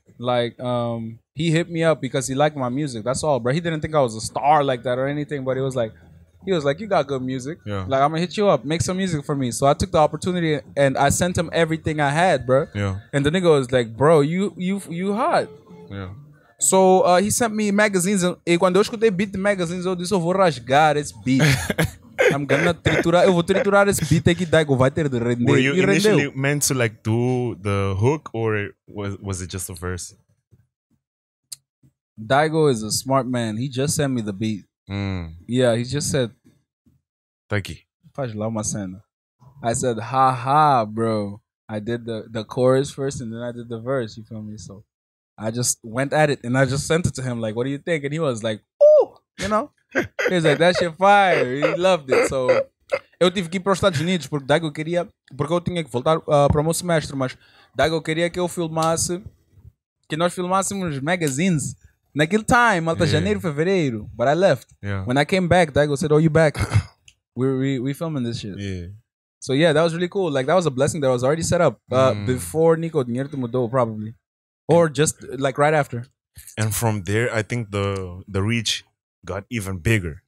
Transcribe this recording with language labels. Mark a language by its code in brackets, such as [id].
[en] Like, he hit me up because he liked my music. That's all, bro. He didn't think I was a star like that or anything, but he was like, you got good music. Yeah. Like, I'm going to hit you up. Make some music for me. So I took the opportunity and I sent him everything I had, bro. Yeah. And the nigga was like, bro, you hot. Yeah. So he sent me Magazines. [pt] E quando eu escutei beat Magazines, eu disse, eu vou rasgar esse beat. [en] I'm going to triturar. [pt] Eu vou triturar esse beat aqui. Daigo vai ter de render. [en] Were you initially meant to, like, do the hook, or was it just a verse? Daigo is a smart man. He just sent me the beat. Yeah, he just said, thank you. [pt] Faz lá uma cena. [en] I said, ha ha, bro. I did the chorus first and then I did the verse. You feel me? So I just went at it and I just sent it to him. Like, what do you think? And he was like, oh, you know? He was like, that shit fire. He loved it. [pt] So eu tive que ir para os Estados Unidos porque Daigo queria. Porque eu tinha que voltar para o meu semestre. Mas Daigo queria que eu filmasse. Que nós filmássemos Magazines. Naquele time, Malta, janeiro, fevereiro. [en] But I left. Yeah. When I came back, Daigo said, oh, you back? we filming this shit. Yeah. So yeah, that was really cool. Like, that was a blessing that was already set up before Nico Dinierto mudou, probably. Or just, like, right after. And from there, I think the reach got even bigger.